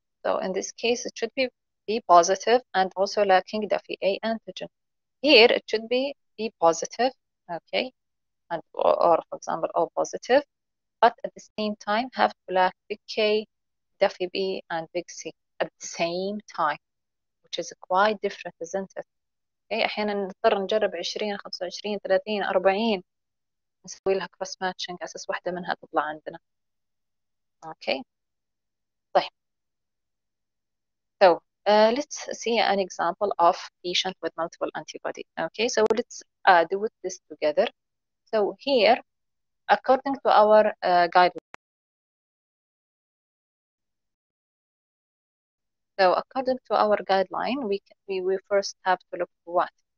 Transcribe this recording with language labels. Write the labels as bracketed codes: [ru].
[en] So in this case, it should be B positive and also lacking the FEA antigen. Here it should be B positive, okay, and or for example O positive, but at the same time have to lack big K, the FEB and big C at the same time, which is quite different, isn't it? [ar] Okay, أحيانا نضطر نجرب 20, 25, 30, 40 نسوي لها cross matching أساس واحدة منها تطلع عندنا. Okay. طيب. [en] So let's see an example of patient with multiple antibody. Okay, so let's do this together. So here, according to our guidelines, so according to our guideline, we first have to look for what?